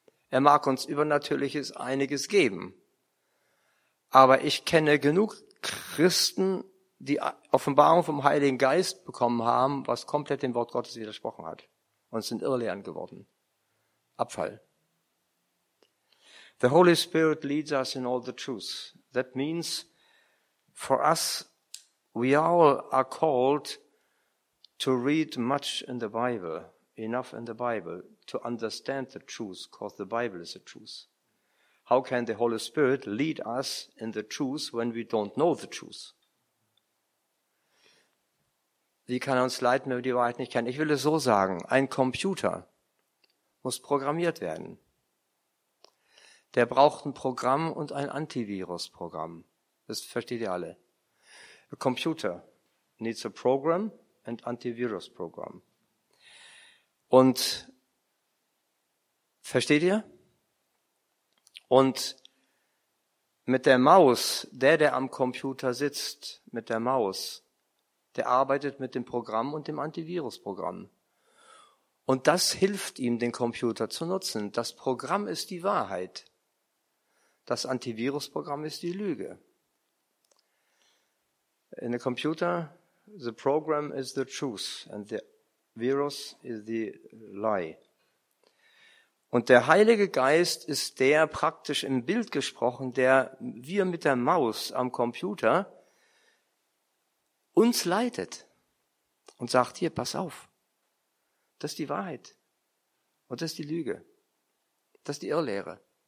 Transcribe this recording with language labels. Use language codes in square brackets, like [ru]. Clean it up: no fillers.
[de] Er mag uns Übernatürliches einiges geben, aber ich kenne genug Christen, die Offenbarung vom Heiligen Geist bekommen haben, was komplett dem Wort Gottes widersprochen hat und sind Irrlehren geworden. Abfall. [en] The Holy Spirit leads us in all the truth. That means for us, we all are called to read much in the Bible, enough in the Bible, to understand the truth, because the Bible is the truth. How can the Holy Spirit lead us in the truth when we don't know the truth? [de] Wie kann er uns leiten, wenn wir die Wahrheit nicht kennen? Ich will es so sagen, ein Computer muss programmiert werden. Der braucht ein Programm und ein Antivirusprogramm. Das versteht ihr alle. [en] A computer needs a program and antivirus program. [de] Und versteht ihr? Und mit der Maus, der am Computer sitzt, mit der Maus, der arbeitet mit dem Programm und dem Antivirusprogramm. Und das hilft ihm, den Computer zu nutzen. Das Programm ist die Wahrheit. Das Antivirusprogramm ist die Lüge. [en] In the computer, the program is the truth and the virus is the lie. [de] Und der Heilige Geist ist der, praktisch im Bild gesprochen, der wir mit der Maus am Computer uns leitet und sagt, hier, pass auf, das ist die Wahrheit und das ist die Lüge, das ist die Irrlehre.